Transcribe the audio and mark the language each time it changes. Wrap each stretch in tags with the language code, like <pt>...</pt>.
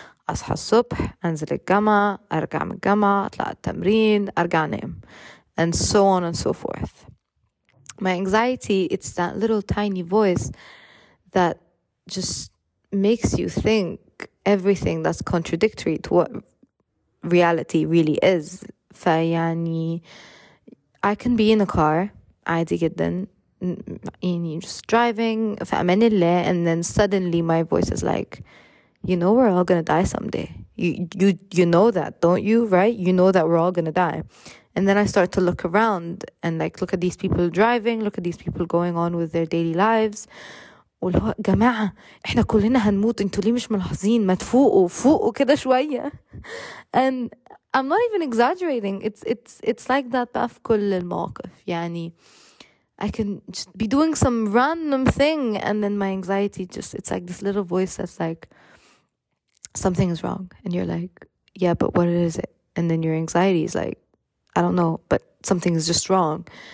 <ar>أصحى الصبح, أنزل الجامعة, أرجع من الجامعة, أطلع التمرين, أرجع نام,</ar> <en>and so on and so forth. My anxiety, it's that little tiny voice that just makes you think everything that's contradictory to what reality really is.</en> <ar>فيعني,</ar> <en>I can be in a car,</en> <ar>عادي جدا,</ar> <en>just driving,</en> <ar>فأمان الله,</ar> <en>and then suddenly my voice is like, you know we're all gonna die someday. You know that, don't you? Right? You know that we're all gonna die. And then I start to look around and like, look at these people driving, look at these people going on with their daily lives.</en> <ar>جماعة, احنا كلنا هنموت, انتوا ليه مش ملاحظين, ما تفوقوا, فوقوا كده شوية.</ar> <en>And I'm not even exaggerating. It's like that</en> <ar>في كل الموقف. يعني,</ar> <en>I can just be doing some random thing, and then my anxiety just, it's like this little voice that's like, something is wrong. And you're like, yeah, but what is it? And then your anxiety is like, I don't know, but something is just wrong.</en>